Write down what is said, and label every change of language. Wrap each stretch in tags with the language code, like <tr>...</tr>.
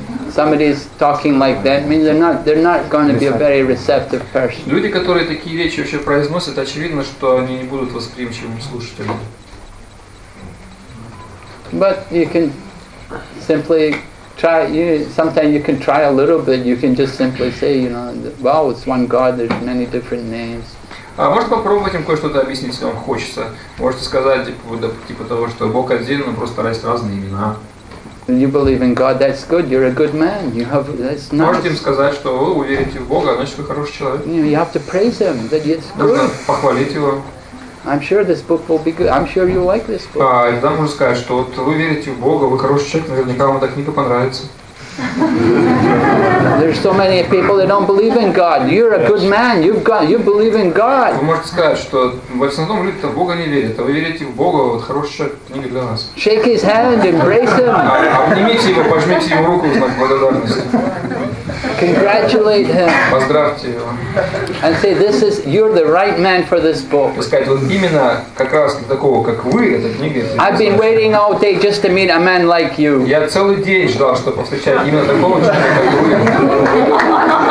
<en>Somebody's talking like that means they're not going to be a very receptive person.</en> <ru>Люди, которые такие вещи вообще произносят, очевидно, что они не будут восприимчивыми слушателями.</ru> <en>But you can simply try. Sometimes you can try a little bit. You can just simply say, you know, well, it's one God. There's many different names.</en> <ru>А может попробовать им кое-что-то объяснить, если вам хочется. Можете сказать типа того, что Бог один, но просто есть разные имена.</ru> <en>You believe in God, that's good. You're a good man. You have that's nice.</en> <ru>Можете им сказать, что вы уверите в Бога, значит вы хороший человек.</ru> <en>You have to praise him, that it's good.</en> <ru>Нужно похвалить его.</ru> <en>I'm sure this book will be good. I'm sure you like this book.</en> <ru>Да, можно сказать, что вот вы верите в Бога, вы хороший человек, наверняка вам эта книга понравится.</ru> <en>There's so many people that don't believe in God. You're a good man. You believe in God.</en> <ru>Вы можете сказать, что в основном люди-то в Бога не верят, а вы верите в Бога, вот хороший человек, книга для нас.</ru> <en>Shake his hand, embrace him.</en> <ru>Обнимите его, пожмите его руку в знак благодарности.</ru> <en>Congratulate him.</en> <ru>Поздравьте его.</ru> <en>And say this is you're the right man for this book.</en> <ru>Сказать, вот именно как раз для такого, как вы, эта книга.</ru> <en>I've been waiting all day just to meet a man like you.</en> <ru>Я целый день ждал, чтобы повстречать именно такого человека, как вы.</ru>